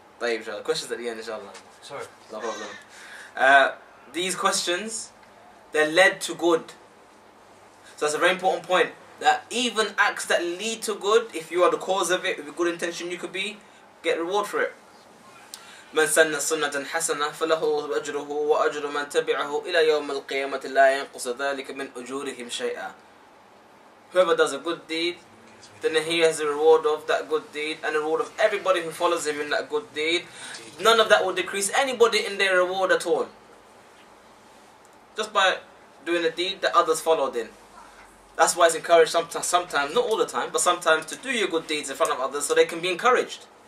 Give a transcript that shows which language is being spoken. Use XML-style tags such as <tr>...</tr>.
<en>Inshallah. Questions at the end, inshallah. Sorry. No problem. These questions, they led to good. So that's a very important point. That even acts that lead to good, if you are the cause of it, with a good intention you could be, get reward for it.</en> <ar>من سن سنة حسنة فله أجره وأجر من تبعه إلى يوم القيامة لا ينقص ذلك من أجورهم شيئا.</ar> <en>Whoever does a good deed, then he has the reward of that good deed and the reward of everybody who follows him in that good deed. None of that will decrease anybody in their reward at all. just by doing a deed that others followed in. That's why it's encouraged sometimes, not all the time, but sometimes to do your good deeds in front of others so they can be encouraged.</en>